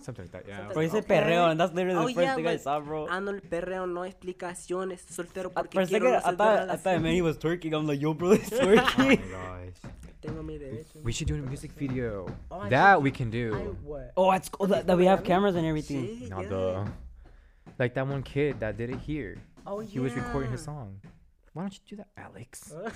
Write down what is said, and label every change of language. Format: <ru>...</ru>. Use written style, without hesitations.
<en>Something like that, yeah.</en> <es>Pero dice perreo,</es> <en>and that's literally the first thing I saw, bro.</en> <es>Ando el perreo, no explicaciones, soltero porque quiero resolver las cosas.</es> <en>I thought Manny was twerking, I'm like, yo, bro, it's twerking. Oh my gosh. We should do a music video. That we have cameras and everything. Not the, like that one kid that did it here. Oh, yeah. He was recording his song. Why don't you do that, Alex?</en>